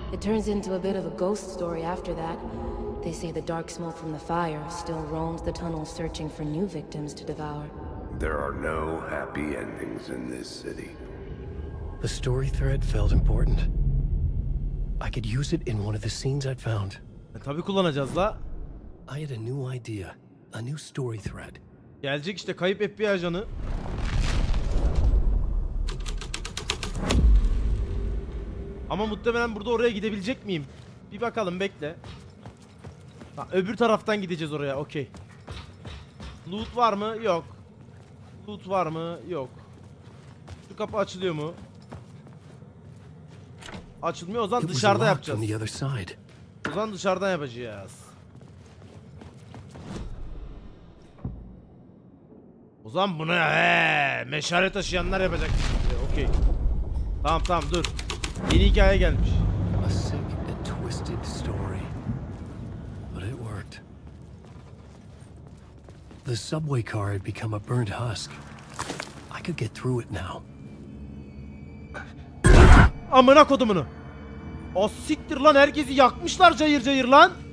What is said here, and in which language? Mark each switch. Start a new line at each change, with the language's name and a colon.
English: It turns into a bit of a ghost story after that. They say the dark smoke from the fire still roams the tunnels searching for new victims to devour. There are no happy endings in this city. The story thread felt important. I could use it in one of the scenes I'd found.
Turkish: Tabii kullanacağız la.
English: I had a new idea, a new story thread.
Turkish: Gelecek işte kayıp FBI ajanı. Ama muhtemelen burada oraya gidebilecek miyim? Bir bakalım, bekle. Ha, öbür taraftan gideceğiz oraya, okey. Loot var mı? Yok. Loot var mı? Yok. Şu kapı açılıyor mu? Açılmıyor, o zaman dışarıda yapacağız. O zaman dışarıdan yapacağız. O zaman bunu meşale taşıyanlar yapacak. Okey. Tamam tamam, dur. Yeni hikaye gelmiş.
English: A sick and twisted story. But it worked. The subway car had become a burnt husk. I could get through it now.
Turkish: Amına kodumunu. O siktir lan, herkesi yakmışlar cayır cayır lan.